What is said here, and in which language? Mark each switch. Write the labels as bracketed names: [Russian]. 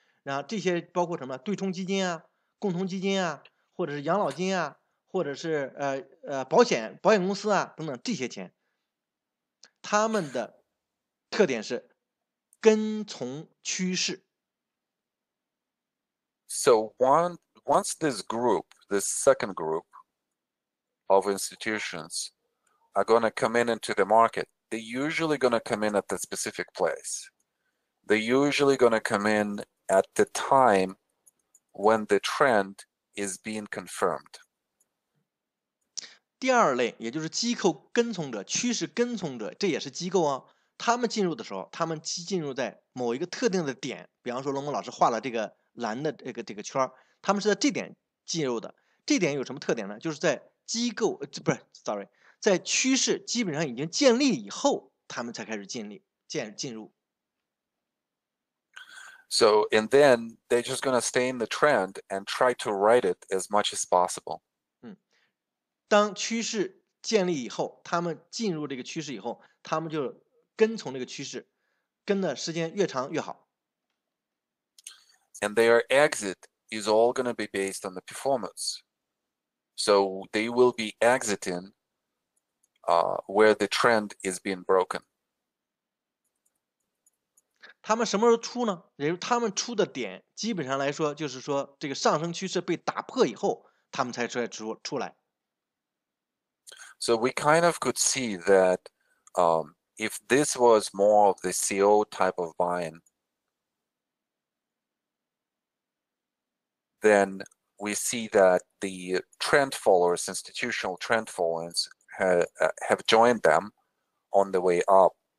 [Chinese] 然后这些包括什么对冲基金啊、共同基金啊，或者是养老金啊，或者是保险公司啊等等，这些钱他们的特点是跟从趋势。 [English] So once this group, the second group of institutions are going to come in into the market, they're usually going to come in at a specific place. They're usually going to come in at the time when the trend is being confirmed. [Chinese] 第二类，也就是机构跟从者，趋势跟从者，这也是机构啊。他们进入的时候，他们进入在某一个特定的点，比方说龙龙老师画了这个蓝的这个圈，他们是在这点进入的。这点有什么特点呢？就是在机构在趋势基本上已经建立以后，他们才开始进入。 [English] So, and then they're just going to stay in the trend and try to ride it as much as possible. [Chinese] 当趋势建立以后，他们进入这个趋势以后，他们就跟从这个趋势，跟的时间越长越好。 [English] And their exit is all going to be based on the performance. So they will be exiting where the trend is being broken. [Chinese] 他们什么时候出呢？也就是他们出的点，基本上来说，就是说这个上升趋势被打破以后，他们才出来。 [English] So we kind of could see that, if this was more of the CO type of buying, then we see that the trend followers, institutional trend followers, have joined them on the way up.